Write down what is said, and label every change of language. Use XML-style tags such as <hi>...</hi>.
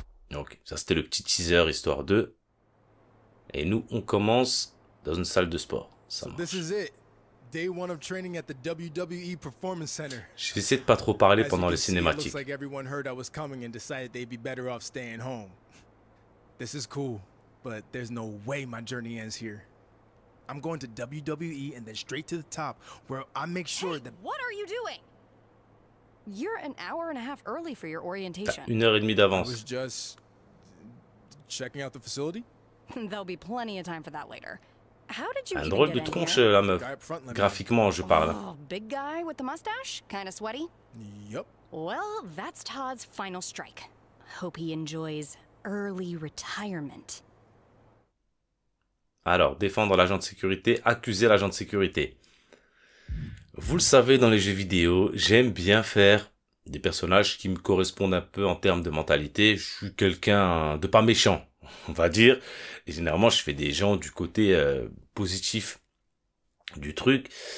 <fr>Donc ça c'était le petit teaser histoire 2. Et nous on commence dans une salle de sport. Ça marche.</fr> <en>Day one of training at the WWE Performance Center.</en> <fr>Je vais essayer de pas trop parler pendant les cinématiques.</fr> <en>Looks like everyone heard I was coming and decided they'd be better off staying home. This is cool, but there's no way my journey ends here. I'm going to WWE and then straight to the top where I make sure that. What are you doing? You're an hour and a half early for your orientation.</en> <fr>Une heure et demie d'avance.</fr> <en>I was just checking out the facility. There'll be plenty of time for that later. How did you</en> <fr>un drôle de tronche, la meuf. Graphiquement, je parle.</fr> <en>Oh, big guy with the mustache, kind of sweaty. Yep. Well, that's Todd's final strike. Hope he enjoys early retirement.</en> <fr>Alors, défendre l'agent de sécurité, accuser l'agent de sécurité. Vous le savez, dans les jeux vidéo, j'aime bien faire des personnages qui me correspondent un peu en termes de mentalité. Je suis quelqu'un de pas méchant, on va dire. Et généralement, je fais des gens du côté positif du truc.</fr>